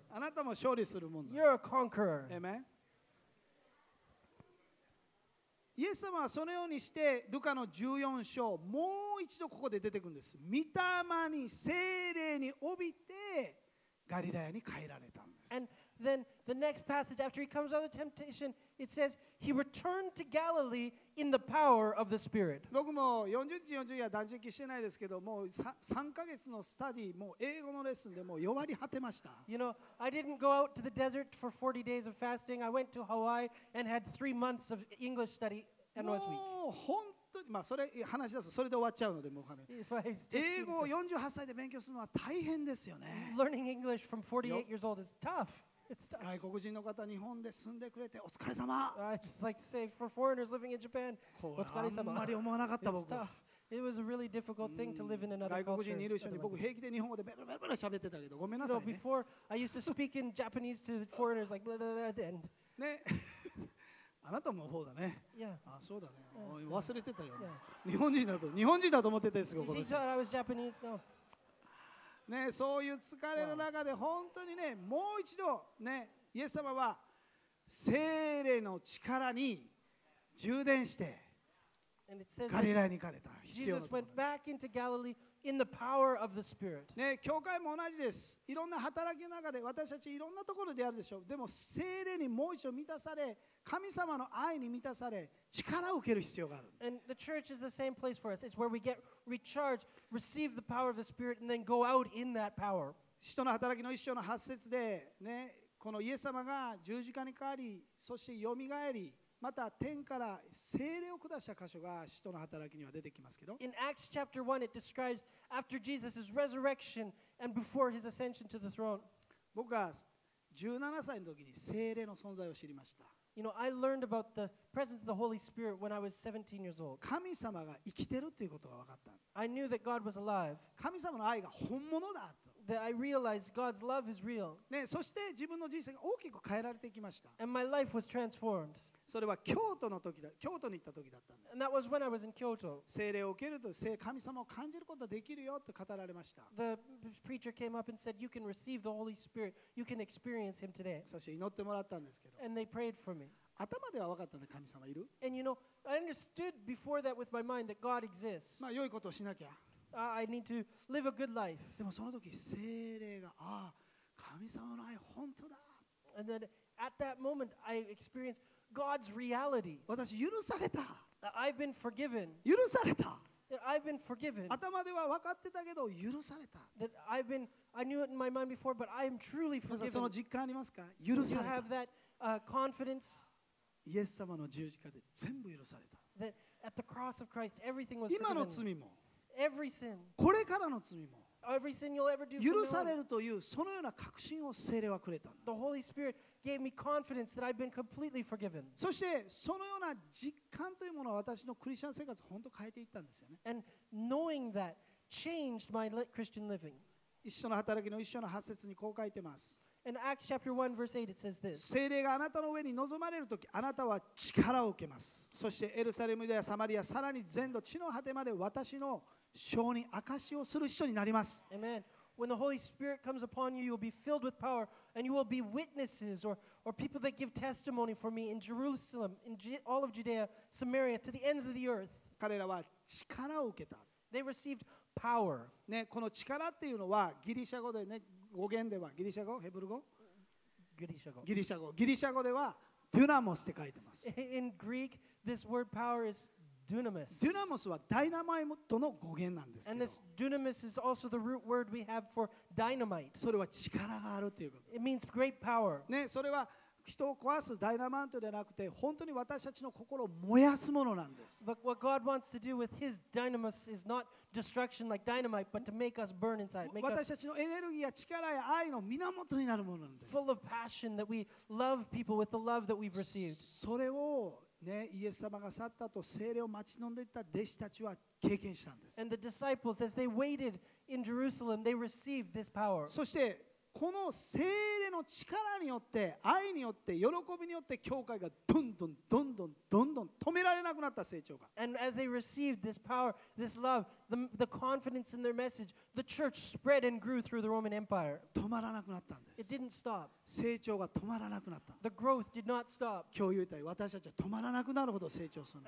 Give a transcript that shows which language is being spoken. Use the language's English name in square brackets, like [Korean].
[Japanese] あなたも勝利するもんだ。 [English] You're a conqueror. Amen. [Japanese] イエス様はそのようにしてルカの14章もう一度ここで出てくるんです。御霊に聖霊に帯びてガリラヤに帰られたんです。 [English] And then the next passage after he comes out of the temptation, it says he returned to Galilee in the power of the Spirit. [Japanese] 僕も40日40夜断食してないですけど、もう3ヶ月のスタディ、もう英語のレッスンでもう弱り果てました。 [English] You know, I didn't go out to the desert for 40 days of fasting. I went to Hawaii and had 3 months of English study and was weak. [Japanese] もう本当に、まあそれ話し出すそれで終わっちゃうので、もう英語を48歳で勉強するのは大変ですよね。 [English] Learning English from 48 years old is tough. It's tough. [Japanese] 外国人の方、日本で住んでくれてお疲れ様。 [English] I just like to say for foreigners living in Japan, [Japanese] お疲れ様。あんまり思わなかった僕。 [English] It's tough. It was a really difficult thing to live in another culture. [Japanese] 外国人にいる人に僕平気で日本語でベラベラベラ喋ってたけど、ごめんなさいね。 [English] No, before I used to speak in Japanese to foreigners like blah blah blah at the end. [Japanese] ね。あなたもそうだね。 [English] Yeah. [Japanese] ああそうだね。Yeah. 忘れてたよ。Yeah. 日本人だと思ってたんですよ。 [English] He thought I was Japanese. No. [Japanese] ね、そういう疲れの中で本当にね、もう一度ね、イエス様は聖霊の力に充電して [English] And it says that Jesus went back into Galilee in the power of the Spirit. [Japanese] ね、教会も同じです。いろんな働きの中で私たちいろんなところでやるでしょう。でも聖霊にもう一度満たされ、神様の愛に満たされ、力を受ける必要がある。 [English] And the church is the same place for us. It's where we get recharged, receive the power of the Spirit, and then go out in that power. [Japanese] 使徒の働きの一章の八節で、ね、このイエス様が十字架にかかり、そしてよみがえり、また天から聖霊を下した箇所が使徒の働きには出てきますけど。 [English] In Acts chapter 1, it describes after Jesus' resurrection and before his ascension to the throne. [Japanese] 僕は17歳の時に聖霊の存在を知りました。 [English] You know, I learned about the presence of the Holy Spirit when I was 17 years old. [Japanese] 神様が生きてるということが分かった。 [English] I knew that God was alive. [Japanese] 神様の愛が本物だと。 [English] That I realized God's love is real. [Japanese] ね、そして自分の人生が大きく変えられていきました。 [English] And my life was transformed. [Japanese] それは京都の時だ。京都に行った時だったんです。 [English] And that was when I was in Kyoto. [Japanese] 聖霊を受けると聖神様を感じることができるよと語られました。 [English] The preacher came up and said, "You can receive the Holy Spirit. You can experience Him today." [Japanese] そして祈ってもらったんですけど。 [English] And they prayed for me. [Japanese] 頭では分かったね、神様いる。 [English] And you know, I understood before that with my mind that God exists. [Japanese] まあ良いことをしなきゃ。 [English] I need to live a good life. [Japanese] でもその時聖霊が、ああ、神様の愛本当だ。 [English] And then at that moment, I experienced. God's reality. [Japanese] 私許された。 [English] I've been forgiven. [Japanese] 許された。 [English] I've been forgiven. [Japanese] 頭では分かってたけど許された。 [English] That I've been, I knew it in my mind before, but I am truly forgiven. [Japanese] その実感ありますか？許された。 [English] You have that confidence. [Japanese] イエス様の十字架で全部許された。 [English] That at the cross of Christ, everything was forgiven. [Japanese] 今の罪も。 [English] Every sin. [Japanese] これからの罪も。 [English] Every sin you'll ever do. 許 [Japanese] されるというそのような確信を聖霊はくれたんです。 [English] The Holy Spirit. Gave me confidence that I've been completely forgiven. [Japanese] そしてそのような実感というものは私のクリスチャン生活を本当変えていったんですよね。 [English] And knowing that changed my Christian living. [Japanese] 一緒の働きの一緒の8節にこう書いてます。 [English] In Acts chapter 1 verse 8 it says this. [Japanese] 聖霊があなたの上に臨まれるときあなたは力を受けます。そしてエルサレムやサマリアさらに全土地の果てまで私の証人証をする人になります。 [English] Amen. When the Holy Spirit comes upon you, you will be filled with power, and you will be witnesses or people that give testimony for me in Jerusalem, in all of Judea, Samaria, to the ends of the earth. [Japanese] 彼らは力を受けた。 [English] They received power. [Japanese] ね、この力っていうのはギリシャ語でね、語源ではギリシャ語、ヘブル語？ギリシャ語。ギリシャ語。ギリシャ語ではドゥナモスって書いてます。 [English] In Greek, this word power is. Dunamis. [Japanese] Dunamis はダイナマイトの語源なんですけど。 [English] And this dunamis is also the root word we have for dynamite. [Japanese] それは力があるということ。 [English] It means great power. [Japanese] ね、それは人を壊すダイナマイトではなくて、本当に私たちの心を燃やすものなんです。 [English] But what God wants to do with His dynamis is not destruction like dynamite, but to make us burn inside. [Japanese] 私たちのエネルギーや力や愛の源になるものなんです。 [English] Full of passion that we love people with the love that we've received. [Japanese] それをね、イエス様が去った後聖霊を待ち望んでいた弟子たちは経験したんです。 [English] And the disciples, as they waited in Jerusalem, they received this power. [Japanese] そしてこの聖霊の力によって愛によって喜びによって教会がどんどんどんどんどんどん止められなくなった成長が。 [English] And as they received this power, this love, the confidence in their message, the church spread and grew through the Roman Empire. [Japanese] 止まらなくなったんです。 [English] It didn't stop. [Japanese] 成長が止まらなくなった。 [English] The growth did not stop. [Japanese] 今日言いたい私たちは止まらなくなるほど成長する。